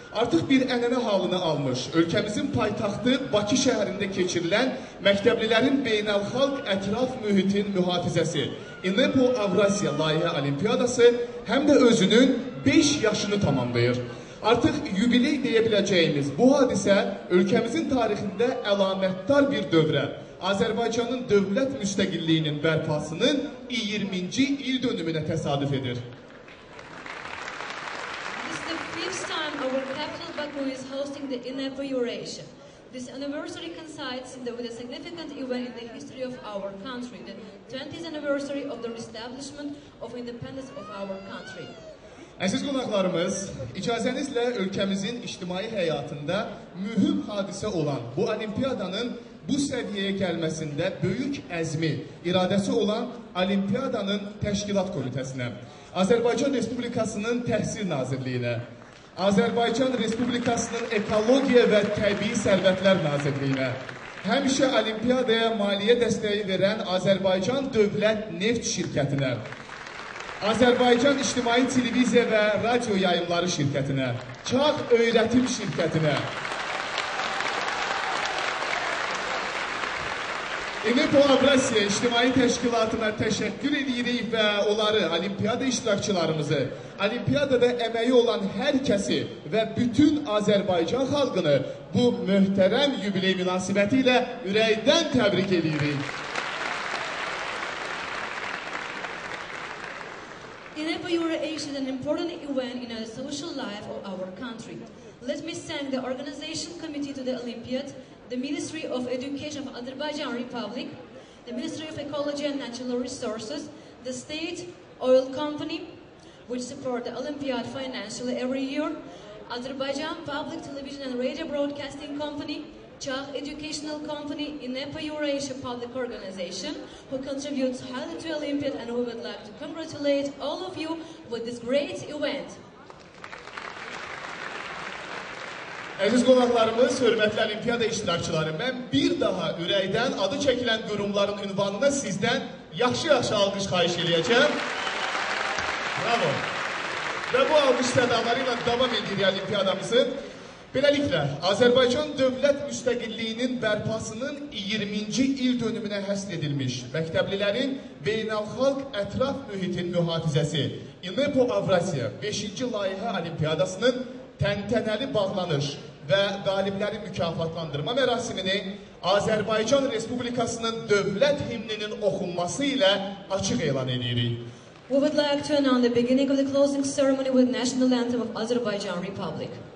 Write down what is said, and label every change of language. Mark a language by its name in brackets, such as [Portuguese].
[Azerbaijani] Artıq bir ənənə halını almış, ölkəmizin paytaxtı Bakı şəhərində keçirilən məktəblilərin beynəlxalq ətraf mühitin mühafizəsi İNEPO Avrasiya layihə olimpiyadası həm də özünün 5 yaşını tamamlayır. Artıq yubiley deyə biləcəyimiz bu hadisə ölkəmizin tarixində əlamətdar bir dövrə, Azərbaycanın dövlət müstəqilliyinin bərpasının 20-ci il dönümünə təsadüf edir. [English] This is the fifth time our capital Baku is hosting the inauguration. This anniversary coincides with a significant event in the history of our country, the 20th anniversary of the establishment of independence of our country. [Azerbaijani] Əziz qonaqlarımız, icazənizlə ölkəmizin ictimai həyatında mühüm hadisə olan bu olimpiyadanın bu səviyyəyə gəlməsində böyük əzmi, iradəsi olan olimpiyadanın təşkilat komitəsinə, Azərbaycan Respublikasının Təhsil Nazirliyinə, Azərbaycan Respublikasının Ekologiya və Təbii Sərvətlər Nazirliyinə, həmişə olimpiyadaya maliyyə dəstəyi verən Azərbaycan Dövlət Neft Şirkətinə, Azərbaycan İctimai Televiziya və Radio Yayımları Şirkətinə, Çağ Öyrətim Şirkətinə, İNEPO Avrasiya İctimai Təşkilatına təşəkkür edirik və onları, olimpiyada iştirakçılarımızı, olimpiyadada əməyi olan hər kəsi və bütün Azərbaycan xalqını bu möhtərəm yubiley münasibəti ilə ürəkdən təbrik edirik. [English] Is an important event in the social life of our country. Let me thank the organization committee to the Olympiad, the Ministry of Education of Azerbaijan Republic, the Ministry of Ecology and Natural Resources, the State Oil Company, which support the Olympiad financially every year, Azerbaijan Public Television and Radio Broadcasting Company, Çağ Educational Company, INEPO Eurasia Public Organization, who contributes highly to Olympiad, and we would like to congratulate all of you with this great event. [Azerbaijani] Əziz qonaqlarımız, hörmətli olimpiyada iştirakçıları, mən bir daha ürəkdən adı çəkilən qurumların ünvanına sizdən yaxşı-yaxşı alqış xahiş edəcəm. Bravo. Və bu alqış sədaları ilə davam edirik olimpiyadamızı. Beləliklə, Azərbaycan dövlət müstəqilliyinin bərpasının 20-ci il dönümünə həsr edilmiş məktəblilərin beynəlxalq ətraf mühitin mühafizəsi İNEPO Avrasiya 5-ci layihə olimpiyadasının təntənəli bağlanış və qalibləri mükafatlandırma mərasimini Azərbaycan Respublikasının dövlət himninin oxunması ilə açıq elan edirik. [English] We would like to announce the beginning of the closing ceremony with National Anthem of Azerbaijan Republic.